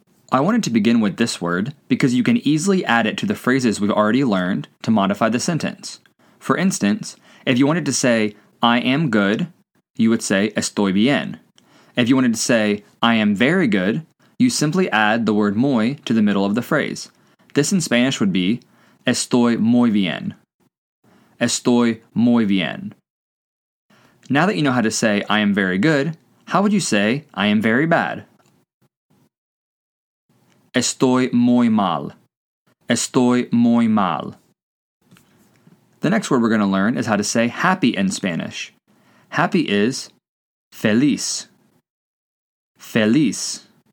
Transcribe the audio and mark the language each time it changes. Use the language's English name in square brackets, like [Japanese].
[English] I wanted to begin with this word because you can easily add it to the phrases we've already learned to modify the sentence. For instance, if you wanted to say, I am good, you would say, [Spanish] estoy bien. [English] If you wanted to say, I am very good, you simply add the word muy to the middle of the phrase. This in Spanish would be, [Spanish] estoy muy bien. Estoy muy bien. [English] Now that you know how to say, I am very good, how would you say, I am very bad? [Spanish] Estoy muy mal. Estoy muy mal. [English] The next word we're going to learn is how to say happy in Spanish. Happy is feliz. Feliz.